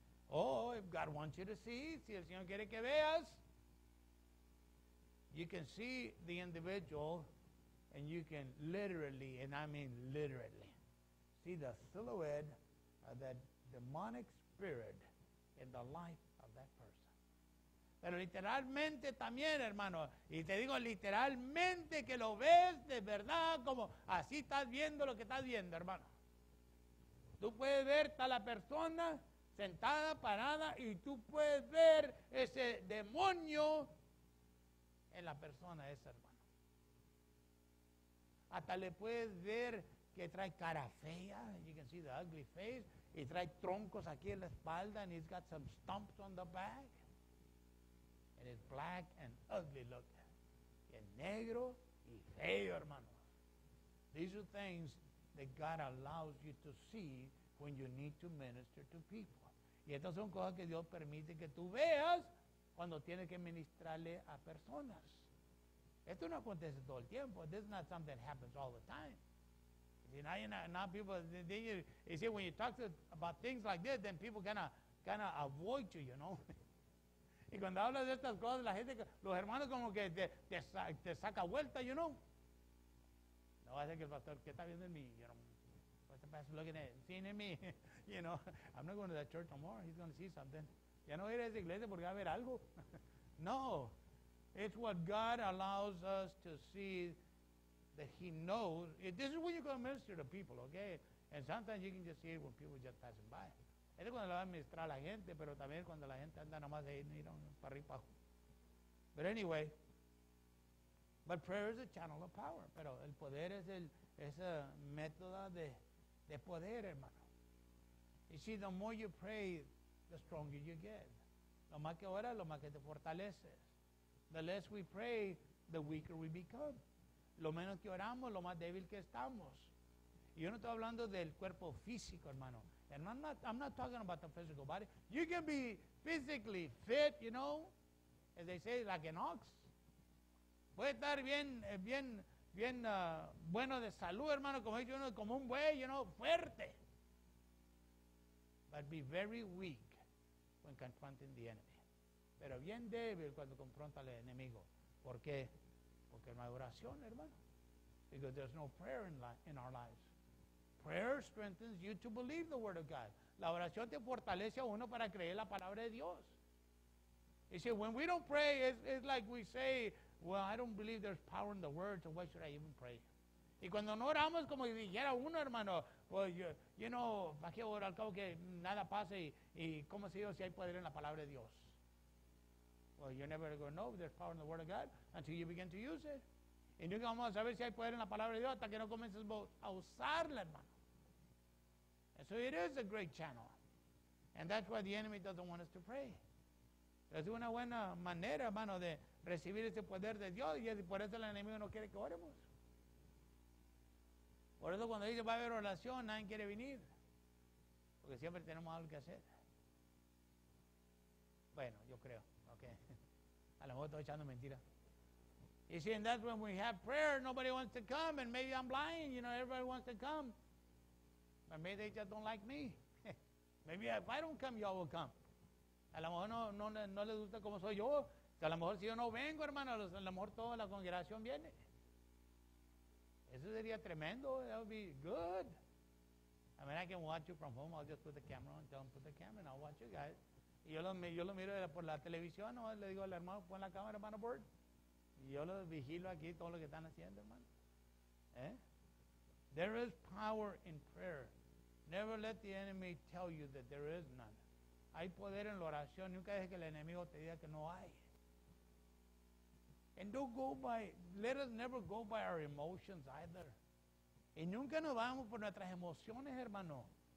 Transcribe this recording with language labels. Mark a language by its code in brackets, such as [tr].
[en] If God wants you to see, [es] si el Señor quiere que veas, [en] you can see the individual and you can literally, and I mean literally, see the silhouette of that demonic spirit in the life of that person. [es] Pero literalmente también, hermano, y te digo literalmente que lo ves de verdad, como así estás viendo lo que estás viendo, hermano. Tú puedes ver a la persona sentada, parada, y tú puedes ver ese demonio en la persona esa, hermano. Hasta le puedes ver que trae cara fea, [en] you can see the ugly face, [es] y trae troncos aquí en la espalda, [en] and he's got some stumps on the back, and it's black and ugly looking, [es] y es negro y feo, hermano. [en] These are things that God allows you to see when you need to minister to people. [es] Y estas son cosas que Dios permite que tú veas cuando tienes que ministrarle a personas. Esto no acontece todo el tiempo. [en] This is not something that happens all the time. You see, now people, then you see, when you talk to about things like this, then people kind of avoid you, you know. [es] Y cuando hablas de estas cosas, la gente, los hermanos como que te saca vuelta, [en] you know. [es] No va a ser que el pastor, ¿qué está viendo en mí? [en] You know. The pastor looking at it, seeing me, you know, I'm not going to that church tomorrow. He's going to see something. [es] Ya no ir a esa iglesia porque va a ver algo. [en] No, it's what God allows us to see that he knows. This is when you go to minister to people, okay? And sometimes you can just see it when people just passing by. [es] Es cuando le va a ministrar a la gente, pero también cuando la gente anda nomás ahí, [en] you know, [es] para arriba y para abajo. [en] But anyway, but prayer is a channel of power. [es] Pero el poder es esa método de poder, hermano. [en] You see, the more you pray, the stronger you get. [es] Lo más que ora, lo más que te fortaleces. [en] The less we pray, the weaker we become. [es] Lo menos que oramos, lo más débil que estamos. Y yo no estoy hablando del cuerpo físico, hermano. [en] And I'm not talking about the physical body. You can be physically fit, you know, as they say, like an ox. [es] Puede estar bien bueno de salud, hermano, como dice uno, como un buey, [en] you know, [es] fuerte. [en] But be very weak when confronting the enemy. [es] Pero bien débil cuando confronta al enemigo. ¿Por qué? Porque no hay oración, hermano. [en] Because there's no prayer in our lives. Prayer strengthens you to believe the word of God. [es] La oración te fortalece a uno para creer la palabra de Dios. [en] You see, when we don't pray, it's like we say, well, I don't believe there's power in the word, so why should I even pray? [es] Y cuando no oramos, como dijera uno, hermano, [en] well, you know, [es] ¿para qué orar? Al cabo que nada pase, y cómo se dice si hay poder en la palabra de Dios. [en] Well, you're never going to know there's power in the word of God until you begin to use it. [es] Y nunca vamos a saber si hay poder en la palabra de Dios hasta que no comiences a usarla, hermano. [en] And so it is a great channel. And that's why the enemy doesn't want us to pray. [es] Es una buena manera, hermano, de recibir ese poder de Dios, y por eso el enemigo no quiere que oremos. Por eso cuando dice va a haber oración, nadie quiere venir, porque siempre tenemos algo que hacer. Bueno, yo creo, okay. A lo mejor estoy echando mentira. [en] You see, and that's when we have prayer, nobody wants to come, and maybe I'm lying, you know, everybody wants to come, but maybe they just don't like me. Maybe if I don't come, y'all will come. [es] A lo mejor no les gusta como soy yo. A lo mejor si yo no vengo, hermano, a lo mejor toda la congregación viene. Eso sería tremendo. [en] That would be good. I mean, I can watch you from home. I'll just put the camera on. Don't put the camera and I'll watch you guys. [es] Y yo lo miro por la televisión. No, le digo al hermano, pon la cámara, hermano Bird. Y yo lo vigilo aquí, todo lo que están haciendo, hermano. ¿Eh? [en] There is power in prayer. Never let the enemy tell you that there is none. [es] Hay poder en la oración. Nunca deje que el enemigo te diga que no hay. [en] And don't go by, let us never go by our emotions either. [es] Y nunca nos vamos por nuestras emociones, hermano.